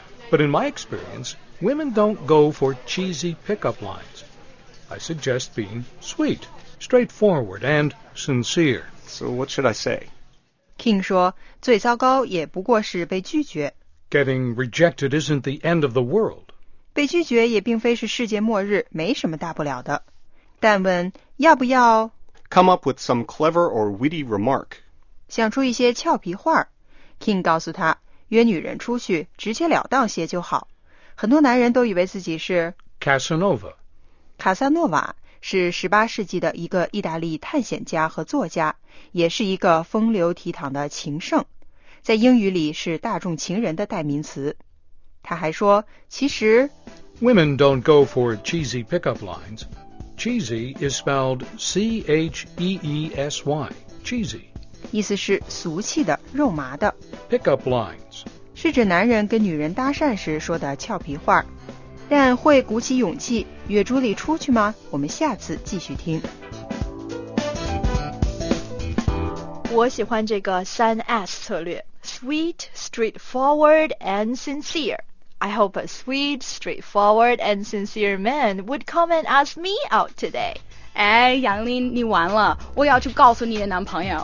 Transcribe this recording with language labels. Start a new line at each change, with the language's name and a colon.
English: But in my experience, women don't go for cheesy pickup lines. I suggest being sweet, straightforward, and sincere. So what should I say?
Chinese: King 说，最糟糕也不过是被拒绝。
English: Getting rejected isn't the end of the world.
Chinese: 被拒绝也并非是世界末日，没什么大不了的。但问要不要
English: Come up with some clever or witty remark.
Chinese: 想出一些俏皮话。King 告诉他，约女人出去，直截了当些就好。很多男人都以为自己是
English: Casanova.
Chinese: 卡萨诺瓦是18世纪的一个意大利探险家和作家，也是一个风流倜傥的情圣。在英语里是大众情人的代名词。他还说，其实
English: Women don't go for cheesy pickup lines. Cheesy is spelled C-H-E-E-S-Y. Cheesy.
Chinese: 意思是俗气的、肉麻的。
English: Pickup lines.
Chinese: 是指男人跟女人搭讪时说的俏皮话。但会鼓起勇气约朱莉出去吗？我们下次继续听。我喜欢这个3S 策略
English: Sweet, straightforward, and sincere I hope a sweet, straightforward, and sincere man would come and ask me out today
Chinese: 哎，杨林，你完了我要去告诉你的男朋友